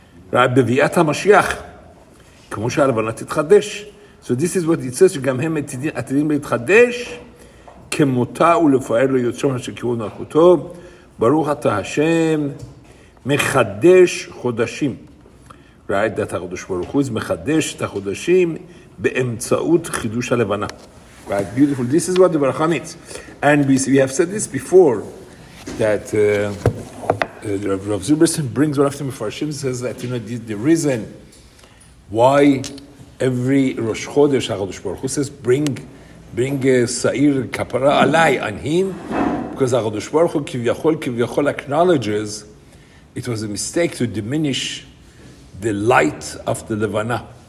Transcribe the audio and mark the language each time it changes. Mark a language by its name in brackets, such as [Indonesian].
[Hebrew] Right, Beviat HaMashiach. כמו שהלבנה תתחדש. [English] So this is what it says, [Hebrew] שגם הם עתידים להתחדש, כמותה ולפאר לו יוצרו של כיוון אחותו, ברוך אתה השם, מחדש חודשים. Right, דת החודש ברוך הוא, מחדש את החודשים באמצעות חידוש הלבנה. [English] Right, beautiful. This is what the Baruch means. And we have said this before, that Rav Zilberstein brings one of the Mefarshim, says that, you know, the reason why every Rosh Chodesh, HaKadosh Baruch Hu says, bring [Hebrew] Sa'ir Kapara alai [English] on him, because HaKadosh Baruch Hu kivyachol acknowledges it was a mistake to diminish the light of the Levana.